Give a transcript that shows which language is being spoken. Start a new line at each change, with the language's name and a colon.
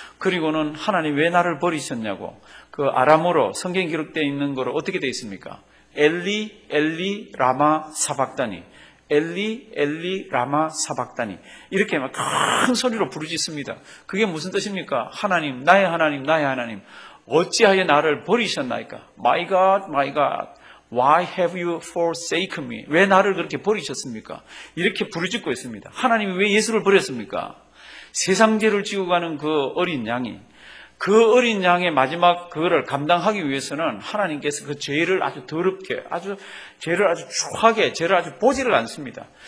Korean: 그리고는 하나님 왜 나를 버리셨냐고, 그 아람어로 성경 기록되어 있는 거로 어떻게 되어 있습니까?
Aramaic: 엘리 엘리 라마 사박다니, 엘리 엘리 라마 사박다니,
Korean: 이렇게 막 큰 소리로 부르짖습니다. 그게 무슨 뜻입니까? 하나님, 나의 하나님, 나의 하나님, 어찌하여 나를 버리셨나이까?
English: My God, My God, why have you forsaken me?
Korean: 왜 나를 그렇게 버리셨습니까? 이렇게 부르짖고 있습니다. 하나님이 왜 예수를 버렸습니까? 세상 죄를 지고 가는 그 어린 양이, 그 어린 양의 마지막 그거를 감당하기 위해서는 하나님께서 그 죄를 아주 더럽게, 아주 죄를 아주 추하게, 죄를 아주 보지를 않습니다.